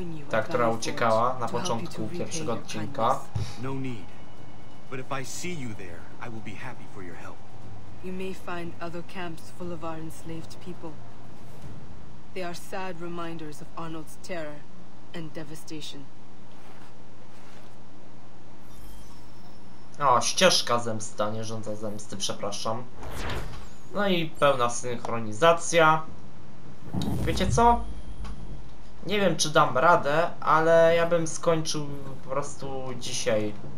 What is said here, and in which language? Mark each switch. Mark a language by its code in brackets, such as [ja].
[pl] Ta, która uciekała na początku pierwszego odcinka. [en] But if I see you there, I will be happy for your help. You may find other camps full of our enslaved people. They are sad reminders of Arnold's terror and devastation. [pl] O, ścieżka zemsta, nie rządza zemsty, przepraszam. No i pełna synchronizacja. Wiecie co? Nie wiem, czy dam radę, ale ja bym skończył po prostu dzisiaj.